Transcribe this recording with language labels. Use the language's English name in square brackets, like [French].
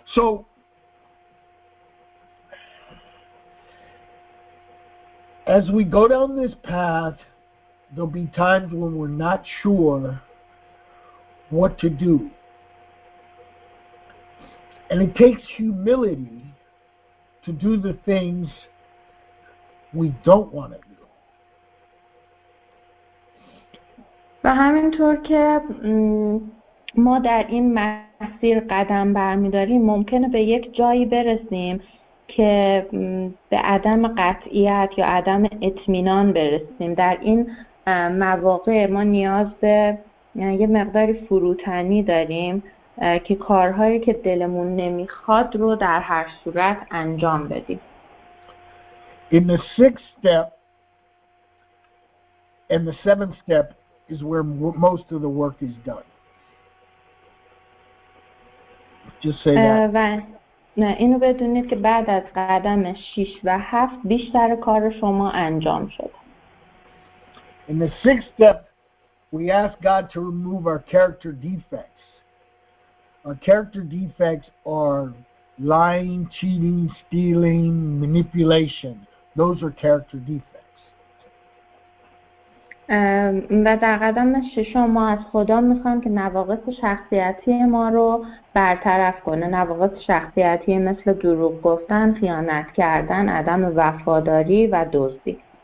[English] So, as we go down this path, there'll be times when we're not sure what to do. And it takes humility to do the things we don't want to do. [Persian] و همینطور که ما در این مسیر قدم برمیداریم ممکنه به یک جایی برسیم که به عدم قطعیت یا عدم اطمینان برسیم. در این مواقع ما نیاز به یه مقداری فروتنی داریم که کارهایی که دلمون نمیخواد رو در هر صورت انجام بدیم. [English] In the sixth step and the seventh step is where most of the work is done. Just say that. [Persian] اینو بدونید که بعد از قدم 6 و 7 بیشتر کار شما انجام شد. [English] In the sixth step, we ask God to remove our character defects. Our character defects are lying, cheating, stealing, manipulation. Those are character defects. [Persian] و در قدم ششم ما از خدا میخوام که نواقص شخصیتی ما رو برطرف کنه. نواقص شخصیتی مثل دروغ گفتن، خیانت کردن، عدم وفاداری و دزدی.